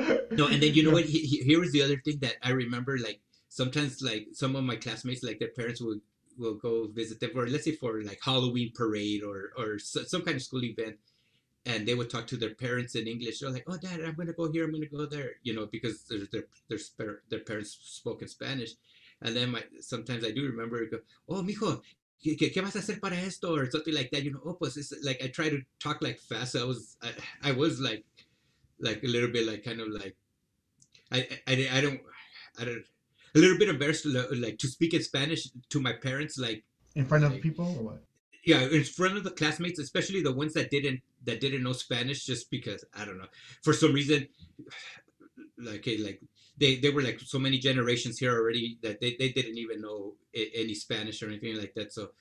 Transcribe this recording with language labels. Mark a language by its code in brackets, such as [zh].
[en] No, and then, you know, yeah. What? Here was the other thing that I remember, like, sometimes, like, some of my classmates, like, their parents will go visit them for, let's say, for, like, Halloween parade or some kind of school event, and they would talk to their parents in English. They're like, oh, Dad, I'm going to go here, I'm going to go there, you know, because their parents spoke in Spanish. And then sometimes I do remember, go, [es] oh, mijo, ¿qué vas a hacer para esto? [en] Or something like that, you know, oh, pues, it's, like, I try to talk, like, fast. I was, like, like a little bit, like kind of like, I don't, a little bit embarrassed, like, to speak in Spanish to my parents, like in front of, like, people or what? Yeah, in front of the classmates, especially the ones that didn't know Spanish, just because, I don't know, for some reason, like they were like so many generations here already that they didn't even know any Spanish or anything like that.